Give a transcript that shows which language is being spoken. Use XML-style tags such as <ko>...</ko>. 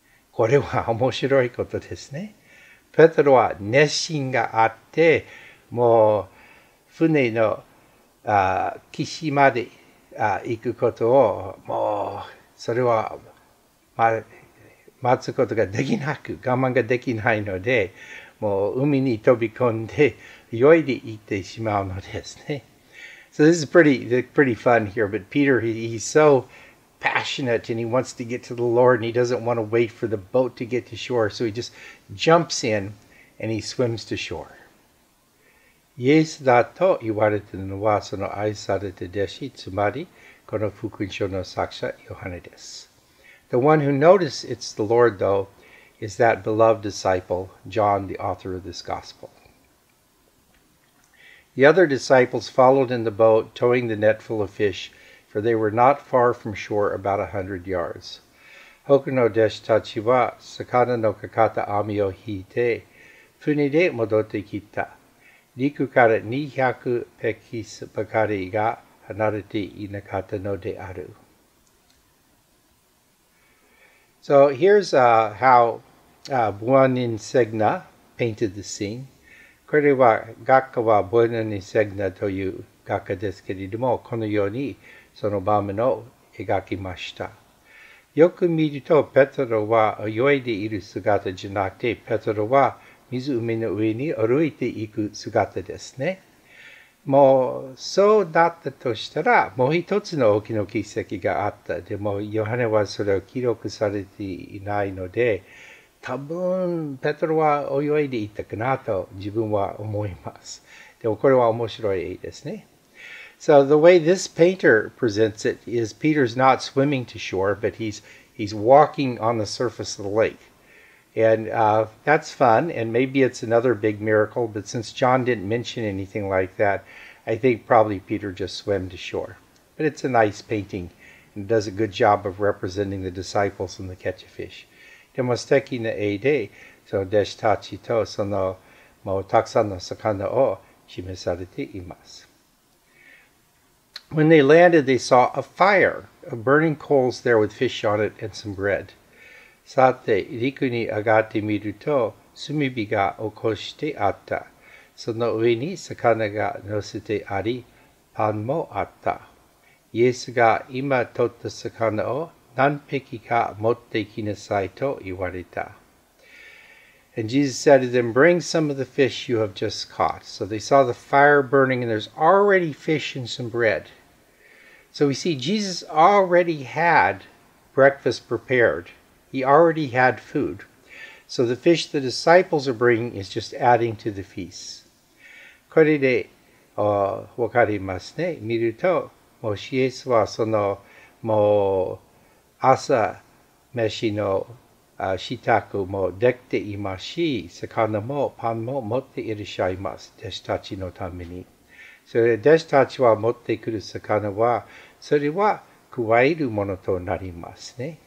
<ja>これは面白いことですね。ペトロは熱心があって、もう船の岸まで行くことを、もうそれは、待つことができなく、我慢ができないので、もう海に飛び込んで泳いで行ってしまうのですね。</ja> <en>So this is pretty fun here, but Peter, he's so passionate and he wants to get to the Lord and he doesn't want to wait for the boat to get to shore, so he just jumps in and he swims to shore.</en> <ja>イエスだと言われたのはその愛された弟子、つまりこの福音書の作者ヨハネです。</ja> <en>The one who noticed it's the Lord, though, is that beloved disciple, John, the author of this gospel. The other disciples followed in the boat, towing the net full of fish, for they were not far from shore, about 100 yards.</en> <ja>他の弟子たちは魚のかかった網を引いて船で戻ってきた。陸から200ペキスばかりが離れていなかったのである。</ja> <en>So here's how Buonin Segna painted the scene.</en> <ja>これは画家はボナニセグナという画家ですけれども、このようにその場面を描きました。よく見ると、ペトロは泳いでいる姿じゃなくて、ペトロは湖の上に歩いていく姿ですね。もうそうだったとしたら、もう一つの大きな奇跡があった。でも、ヨハネはそれを記録されていないので、多分ペトロは泳いでいったかなと自分は思います。でもこれは面白い絵ですね。</ja> <en>So the way this painter presents it is Peter's not swimming to shore, but he's walking on the surface of the lake. And that's fun, and maybe it's another big miracle, but since John didn't mention anything like that, I think probably Peter just swam to shore. But it's a nice painting and does a good job of representing the disciples and the catch of fish.</en> <ja>でも素敵な絵で、その弟子たちとそのもうたくさんの魚を示されています。</ja> <en>When they landed, they saw a fire, a burning coals there with fish on it and some bread.</en> <ja>さて、陸に上がってみると、炭火が起こしてあった。その上に魚が乗せてあり、パンもあった。イエスが今取った魚を何匹か持って行きなさいと言われた。</ja> <en>And Jesus said to them, bring some of the fish you have just caught. So they saw the fire burning and there's already fish and some bread. So we see Jesus already had breakfast prepared. He already had food. So the fish the disciples are bringing is just adding to the feast.</en> <ja>これでわかりますね。見ると、もしイエスはその、もう朝飯の支度もできていますし、魚もパンも持っていらっしゃいます。弟子たちのために。それで弟子たちは持ってくる魚は、それは加えるものとなりますね。</ja>